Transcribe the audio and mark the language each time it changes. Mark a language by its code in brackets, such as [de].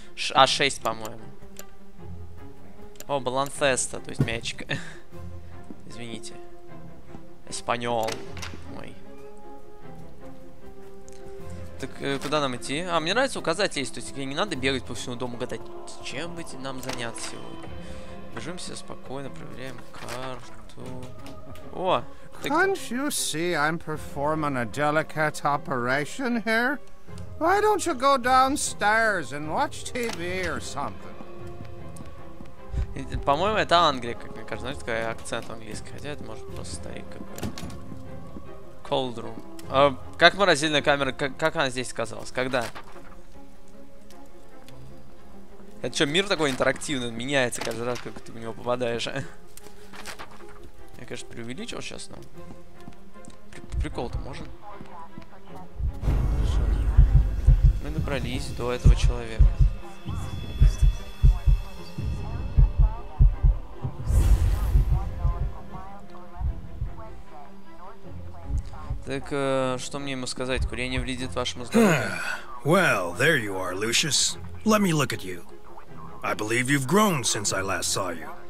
[ru] А6, по-моему. О, балансеста, то есть мячик. Извините. Эспаньол. Так куда нам идти? А, мне нравится указатель есть, то есть не надо бегать по всему дому, гадать, чем бы нам заняться сегодня. Бежим все спокойно, проверяем карту. О! [en] Can't you see I'm performing a delicate operation here? Why don't you go downstairs and watch TV or something? [ru] По-моему, это Англия, как мне кажется, знаете, такой акцент английский, хотя это может просто стоять какой-то. [en] Cold room. [ru] Как морозильная камера, как она здесь оказалась? Когда? Это что, мир такой интерактивный, он меняется каждый раз, как ты в него попадаешь, а? Я, конечно, преувеличил сейчас, но... Прикол-то можем? Мы добрались до этого человека. Так что мне ему сказать? Курение вредит вашему здоровью. [en] Well, there you are, Lucius. Let me look at you. I believe you've grown since I last saw you.